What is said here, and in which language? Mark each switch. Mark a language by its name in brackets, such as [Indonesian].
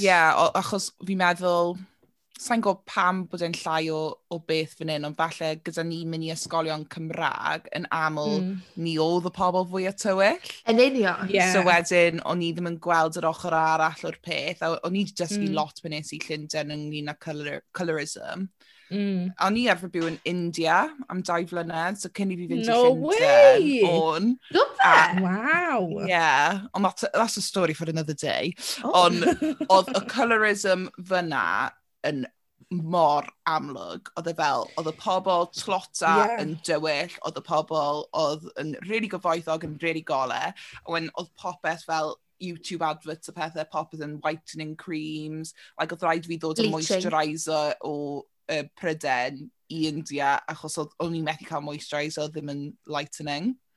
[Welsh] Yeah, achos fi'n meddwl, sa'n gwybod pam bod e'n llai o beth fan hyn, ond falle gyda ni mynd i ysgolion Cymraeg yn aml ni oedd y pobl fwy o tywyll. Yn union. [English] Yeah. [Welsh] So wedyn, o'n i ddim yn gweld yr ochr arall o'r peth, a o'n i dysgu lot pan nes i Llundain ynglyn â colorism. O'n i arfer byw yn India am 2 months, so cyn i fi fynd i Llundain. [English] No way! Wow! Yeah, ond that's a story for another day. [Welsh] Ond oedd y colorism fyna yn mor amlwg. Oedd e fel, oedd y pobol tlota yn dywyll, oedd y pobol oedd yn really gyfoethog yn really gole, a wedyn oedd popeth fel YouTube adverts o pethau, popeth yn whitening creams, like oedd rhaid fi ddod yn moisturiser o Pryden i India, achos oedd o'n i methu cael moisturiser ddim yn lightening.